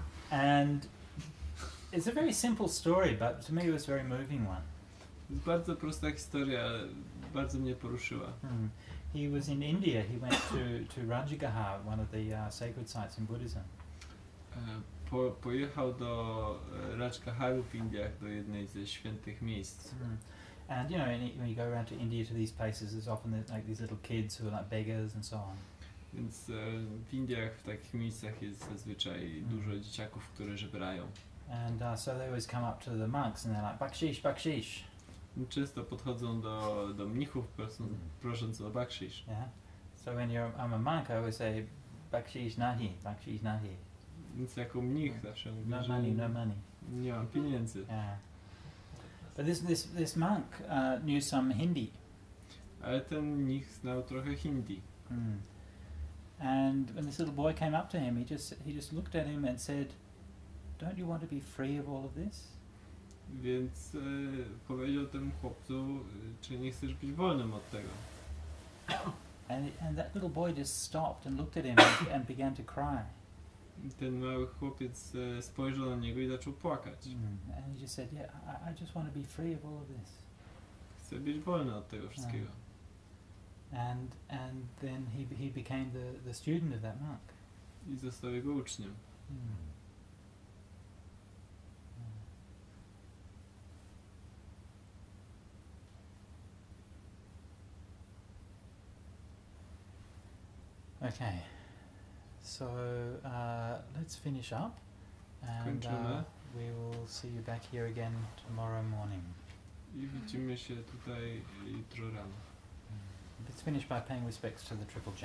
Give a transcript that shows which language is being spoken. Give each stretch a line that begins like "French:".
English: And it's a very simple story, but to me it was a very moving one.
Polish: It's bardzo prosta historia, ale bardzo mnie poruszyła.
English: He was in India. He went to Rajagaha, one of the sacred sites in Buddhism.
Polish: Pojechał do Rajagaharu w Indiach, do jednej ze świętych miejsc.
English: And you know, when you go around to India to these places, there's often like these little kids who are like beggars and so on.
Polish: Więc w Indiach w takich miejscach jest zazwyczaj dużo dzieciaków, które żebrają.
English: And so they always come up to the monks and they're like, "Baksheesh, baksheesh."
Polish: Często podchodzą do mnichów, prosząc o baksheesh.
English: Yeah. So when I'm a monk, I always say,
Hindi: "Baksheesh nahi, baksheesh nahi."
Polish: Więc jako mnich zawsze mówię,
English: no money, no money.
Polish: Nie mam pieniędzy.
English: Yeah. But this monk knew some Hindi.
Polish: Ale ten mnich znał trochę Hindi. Mm.
English: And when this little boy came up to him, he just looked at him and said, "Don't you want to be free of all of this?"
Polish: Więc powiedział temu chłopcu, czy nie chcesz być wolnym od tego?
English: And that little boy just stopped and looked at him and began to cry.
Polish: Ten mały chłopiec spojrzał na niego i zaczął płakać.
English: And he just said, "Yeah, I just want to be free of all of this."
Polish: Chcę być wolny od tego wszystkiego.
English: And then he became the student of that monk.
Polish: I został jego uczniem.
English: Okay. So let's finish up and we will see you back here again tomorrow morning.
Polish: I widzimy się tutaj jutro rano.
English: Let's finish by paying respects to the Triple Jam.